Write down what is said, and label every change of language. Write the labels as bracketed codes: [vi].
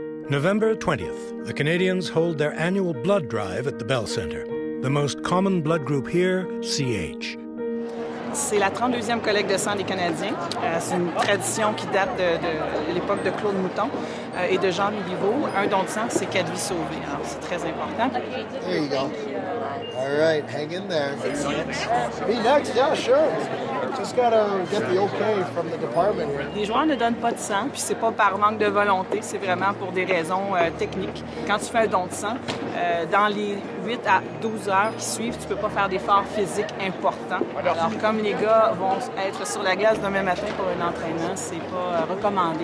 [en] November 20th, the Canadiens hold their annual blood drive at the Bell Centre. The most common blood group here, CH. [fr] C'est la 32e collecte de sang des Canadiens. C'est une tradition qui date de l'époque de Claude Mouton et de Jean Béliveau. Un don de sang, c'est 4 vies sauvées. Alors, c'est très important. [en] There you go. All right, hang in there. Be next, yeah, sure. Just gotta get the okay from the department here. [fr] Les joueurs ne donnent pas de sang, puis c'est pas par manque de volonté, c'est vraiment pour des raisons techniques. Quand tu fais un don de sang, dans les 8 à 12 heures qui suivent, tu peux pas faire d'efforts physiques importants. Alors, comme les gars vont être sur la glace demain matin pour un entraînement, c'est pas recommandé.